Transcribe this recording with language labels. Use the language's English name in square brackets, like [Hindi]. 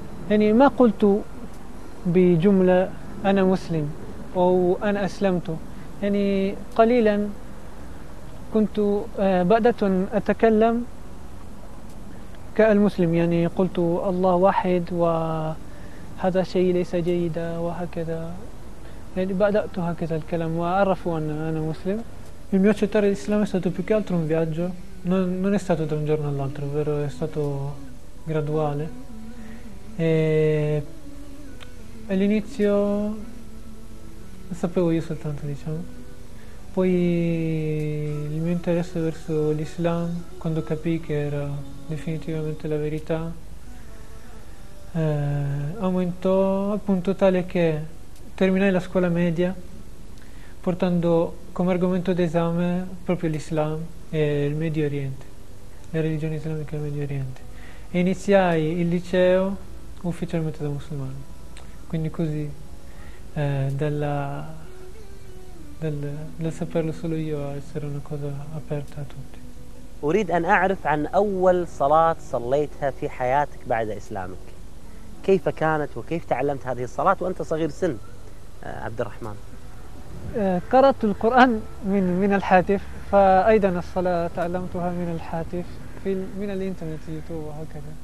[Arabic] يعني ما قلت بجملة أنا مسلم أو أنا أسلمت، يعني قليلا كنت بدأت أتكلم كالمسلم، يعني قلت الله واحد وهذا شيء ليس جيدا وهكذا، يعني بدأت هكذا الكلام وعرفوا أن أنا مسلم. [Italian] Il mio accettare l'Islam è stato più che altro un viaggio, non è stato da un giorno all'altro, ovvero è stato graduale. E all'inizio sapevo io soltanto, diciamo. Poi il mio interesse verso l'Islam, quando capì che era definitivamente la verità, aumentò al punto tale che terminai la scuola media portando come argomento d'esame proprio l'Islam e il Medio Oriente, la religione islamica del Medio Oriente, e iniziai il liceo ufficialmente da musulmano. Quindi così dal saperlo solo io a essere una cosa aperta a tutti. [Arabic] أريد أن أعرف عن أول صلاة صليتها في حياتك بعد إسلامك، كيف كانت وكيف تعلمت هذه الصلاة وأنت صغير سن عبد الرحمن؟ قرأت القرآن من الهاتف، فأيضا الصلاة تعلمتها من الهاتف، من الإنترنت، يوتيوب وهكذا.